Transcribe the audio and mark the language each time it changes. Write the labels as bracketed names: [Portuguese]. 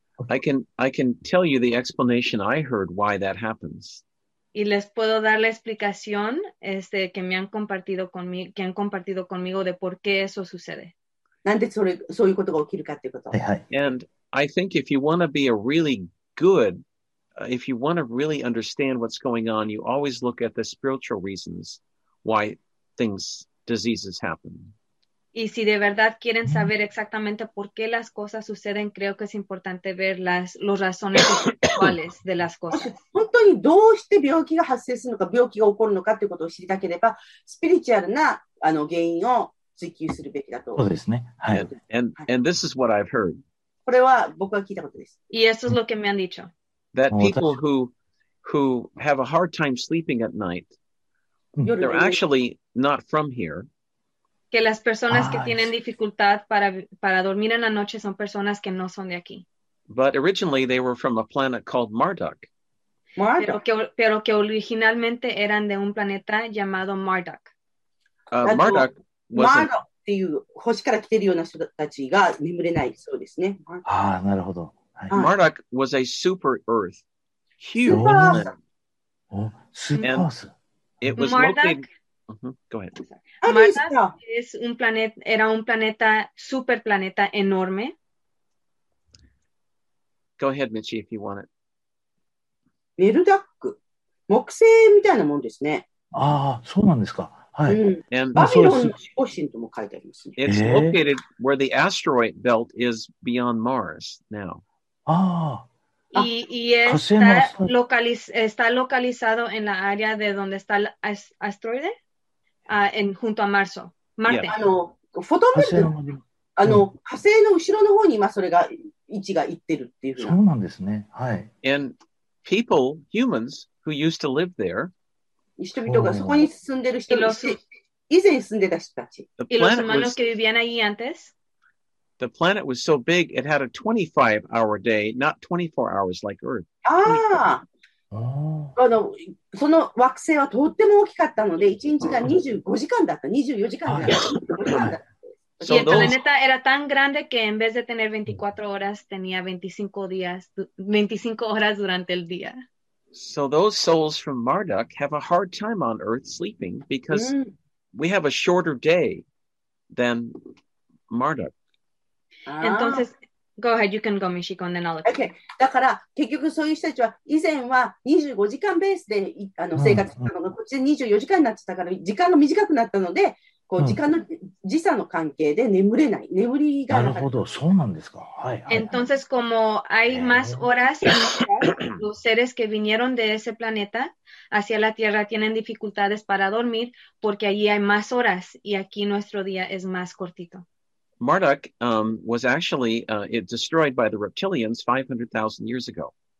[English] I can tell you the explanation I heard why that happens. [Spanish] Y les puedo dar la explicación que me han compartido conmigo, que han compartido conmigo de por qué eso sucede. [English] And I think if you want to be a really good, if you want to really understand what's going on, you always look at the spiritual reasons why things, diseases happen. [Spanish] Y si de verdad quieren saber exactamente por qué las cosas suceden, creo que es importante ver las razones espirituales de las cosas. [Japanese] 本当にどうして病気が発生するのか、病気が起こるのかということを知りたければ、スピリチュアルな原因を追求するべきだと。そうですね。はい。 [English] And this is what I've heard. [Japanese] これは僕が聞いたことです。 [Spanish] Y eso es lo que me han dicho. [English] That people who have a hard time sleeping at night, they're actually not from here. [Spanish] Que las personas que tienen dificultad para dormir en la noche son personas que no son de aquí. [English] But originally they were from a planet called Marduk. Marduk. [Spanish] Pero que originalmente eran de un planeta llamado Marduk. [English] Marduk was [Japanese] Marduk っていう星から来てるような人たちが眠れないそうですね。ああ、なるほど。 [English] Marduk was a super Earth. Huge. [Japanese] スーパース。スーパース。 [English] And it was Marduk. Go ahead. [Spanish] Era un planeta, super planeta enorme. [English] Go ahead, Michi, if you want it. [Japanese] Merduk, 木星みたいなもんですね。ああ、そうなんですか。はい。 And バビロンの守護神とも書いてありますね。 [English] It's located where the asteroid belt is beyond Mars now. [Japanese] ああ。 [Spanish] Y está localizado en la área de donde está el asteroide. Junto a Marzo, Marte. [English] Yeah. [Japanese] フォトンベルト、火星の後ろの方に今それが位置が行ってるっていうそうなんですね。はい。 [English] And people, humans, who used to live there, [Japanese] 人々がそこに住んでる人、以前住んでた人たち。 [Spanish] Y los humanos que vivían ahí antes? [English] The planet was so big, it had a 25-hour day, not 24 hours like Earth. [Japanese] その惑星はとっても大きかったので、1日が25時間だった、24時間だった。 [Spanish] El planeta era tan grande que en vez de tener 24 horas, tenía 25 horas durante el día. [English] So those souls from Marduk have a hard time on Earth sleeping because we have a shorter day than Marduk. [Spanish] Entonces... [English] Go ahead, you can go, Michiko, and then I'll look. Okay, [Japanese] だから結局そういう人たちは以前は25時間ベースで生活したのが、こっちで24時間になってたから、時間が短くなったので、こう時間の時差の関係で眠れない、眠りが。なるほど、そうなんですか。はい。 [Spanish] Entonces, como hay más horas, los seres que vinieron de ese planeta hacia la Tierra tienen dificultades para dormir porque allí hay más horas y aquí nuestro día es más cortito. [English] Marduk was actually it destroyed by the reptilians 500,000 years ago.